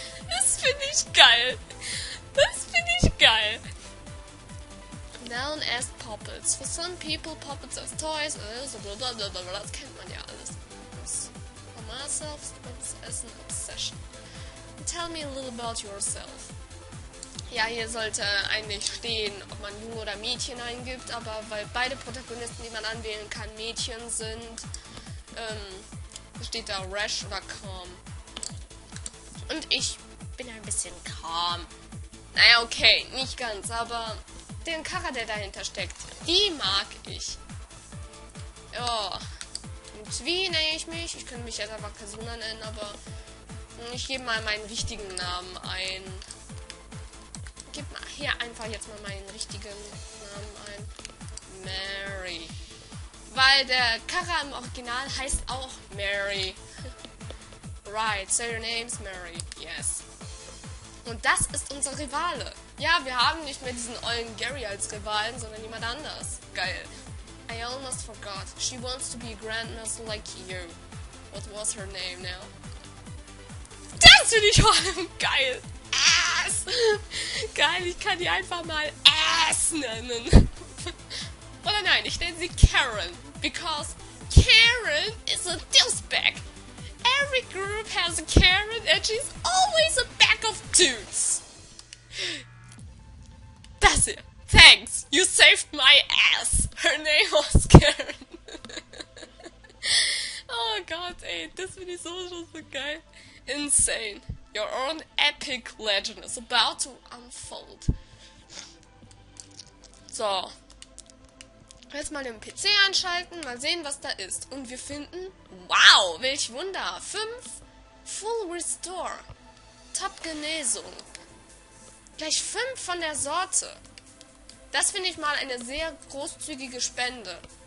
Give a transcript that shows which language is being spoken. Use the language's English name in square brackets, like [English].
[German] Das finde ich geil. Das finde ich geil. [English] Known as Poppets. For some people, Poppets as toys. So blablabla. [German] Das kennt man ja alles. [English] For myself, it's as an obsession. Tell me a little about yourself. [German] Ja, hier sollte eigentlich stehen, ob man Junge oder Mädchen eingibt, aber weil beide Protagonisten, die man anwählen kann, Mädchen sind, steht da Rash oder Calm. Und ich bin ein bisschen calm. Naja, okay, nicht ganz, aber den Charakter, der dahinter steckt, die mag ich. Ja, und wie nenne ich mich? Ich könnte mich jetzt einfach Kasuna nennen, aber ich gebe mal meinen richtigen Namen ein. Gib mal hier einfach jetzt mal meinen richtigen Namen ein. Mary. Weil der Charakter im Original heißt auch Mary. [English] Right, so your name's Mary. Yes. [German] Und das ist unser Rivale. Ja, wir haben nicht mehr diesen ollen Gary als Rivalen, sondern jemand anders. [English] Geil. I almost forgot. She wants to be a grandmaster like you. What was her name now? [German] Das finde ich vor allem geil. Ass. Geil, ich kann die einfach mal Ass nennen. Oder nein, ich nenne sie Karen. [English] Because Karen is a douchebag. Every group has a Karen and she's always a bag of dudes. That's it. Thanks. You saved my ass. Her name was Karen. [German] Oh Gott, ey. Das finde ich so, so geil. Insane. [English] Your own epic legend is about to unfold. So. [German] Jetzt mal den PC anschalten, mal sehen, was da ist. Und wir finden, wow, welch Wunder. 5 Full Restore. Top Genesung. Gleich 5 von der Sorte. Das finde ich mal eine sehr großzügige Spende.